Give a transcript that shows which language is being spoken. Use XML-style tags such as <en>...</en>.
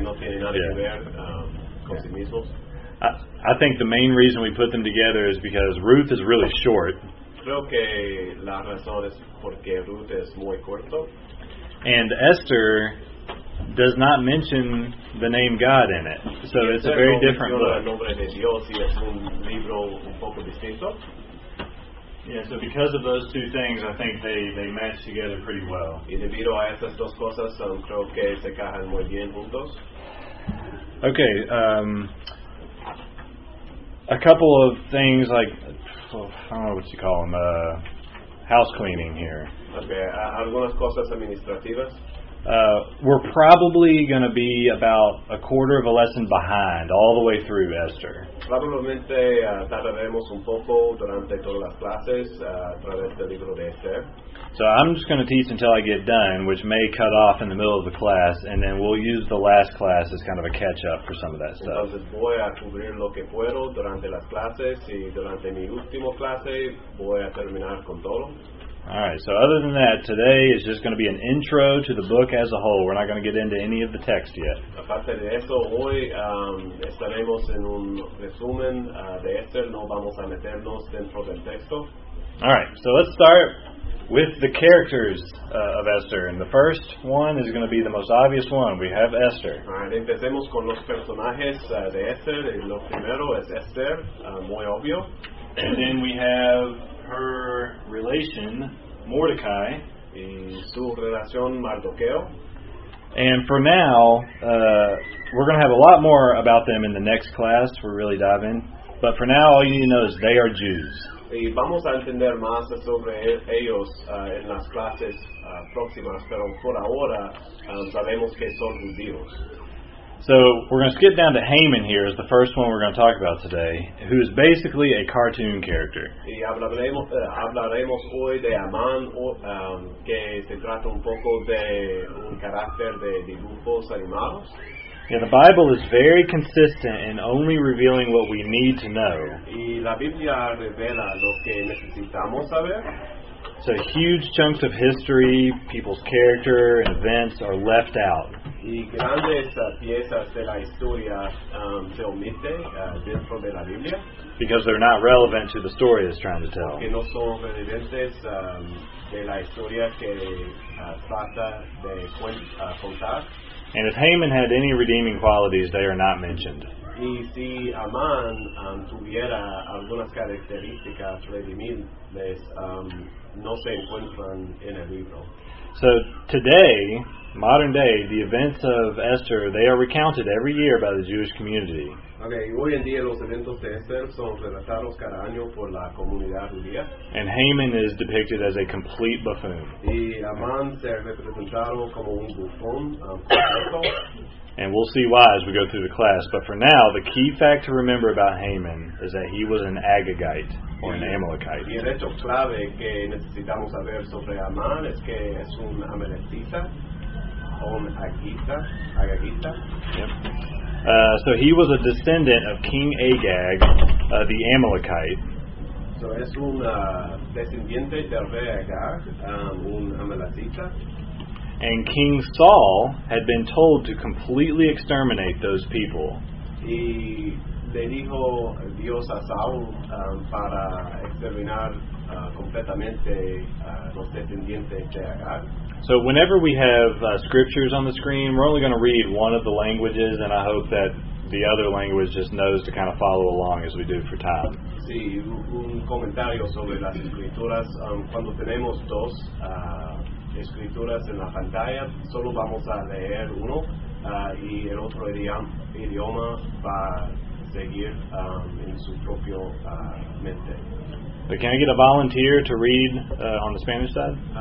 <es>No tienen nada que ver con sí mismos.</es> <en>I think the main reason we put them together is because Ruth is really short.</en> <es>Creo que la razón es porque Ruth es muy corto.</es> <en>And Esther does not mention the name God in it. So it's a very different book.</en> <es>El nombre de Dios y es un libro un poco distinto.</es> <en>Yeah, so because of those two things, I think they match together pretty well.</en> <es>Y debido a estas dos cosas, creo que se cajan muy bien juntos.</es> <en>Okay, a couple of things like, I don't know what you call them, house cleaning here.</en> <es>Okay, algunas cosas administrativas.</es> <en>We're probably going to be about a quarter of a lesson behind all the way through Esther.</en> <es>Probablemente tardaremos un poco durante todas las clases a través del libro de Esther.</es> <en>So I'm just going to teach until I get done, which may cut off in the middle of the class, and then we'll use the last class as kind of a catch-up for some of that stuff.</en> <es>Entonces voy a cubrir lo que puedo durante las clases, y durante mi último clase voy a terminar con todo.</es> <en>All right, so other than that, today is just going to be an intro to the book as a whole. We're not going to get into any of the text yet.</en> <es>Aparte de eso, hoy estaremos en un resumen de Esther. No vamos a meternos dentro del texto.</es> <en>All right, so let's start with the characters of Esther. And the first one is going to be the most obvious one. We have Esther.</en> <es>All right, empecemos con los personajes de Esther. Y lo primero es Esther, muy obvio.</es> <en>And then we have her relation, Mordecai,</en> <es>y su relación Mardoqueo.</es> <en>And for now, we're going to have a lot more about them in the next class. We're really diving. But for now, all you need to know is they are Jews.</en> <es>Y vamos a entender más sobre ellos en las clases próximas, pero por ahora sabemos que son judíos.</es> <en>So we're going to skip down to Haman here as the first one we're going to talk about today, who is basically a cartoon character.</en> <es>Y hablaremos hoy de Amán, que se trata un poco de un carácter de dibujos animados.</es> <en>Yeah, the Bible is very consistent in only revealing what we need to know.</en> <es>Y la Biblia revela lo que necesitamos saber.</es> <en>So huge chunks of history, people's character, and events are left out.</en> <es>Y grandes piezas de la historia se omite dentro de la Biblia.</es> <en>Because they're not relevant to the story it's trying to tell.</en> <es>Porque no son relevantes de la historia que trata de contar.</es> <en>And if Haman had any redeeming qualities, they are not mentioned.</en> <es>Y si Amán tuviera algunas características redimibles, no se encuentran en el libro.</es> <en>So today, modern day, the events of Esther, they are recounted every year by the Jewish community.</en> <es>Okay, hoy en día los eventos de Esther son relatados cada año por la comunidad judía.</es> <en>And Haman is depicted as a complete buffoon.</en> <es>Y Amán se representado como un bufón completo.</es> <en>And we'll see why as we go through the class. But for now, the key fact to remember about Haman is that he was an Agagite, or an Amalekite.</en> <es>Y el hecho clave que necesitamos saber sobre Amán es que es un Amalekita, o un Agagita.</es> <en>Yep. So he was a descendant of King Agag, the Amalekite. So</en> <es>es un descendiente del rey Agag, un Amalekita.</es> <en>And King Saul had been told to completely exterminate those people.</en> <es>Y le dijo Dios a Saúl para exterminar completamente los descendientes de Agag.</es> <en>So whenever we have scriptures on the screen, we're only going to read one of the languages, and I hope that the other language just knows to kind of follow along as we do for time.</en> <es>Sí, un comentario sobre las escrituras. Cuando tenemos dos escrituras en la pantalla, solo vamos a leer uno y el otro idioma va a seguir en su propio mente.</es> <en>But can I get a volunteer to read on the Spanish side?</en>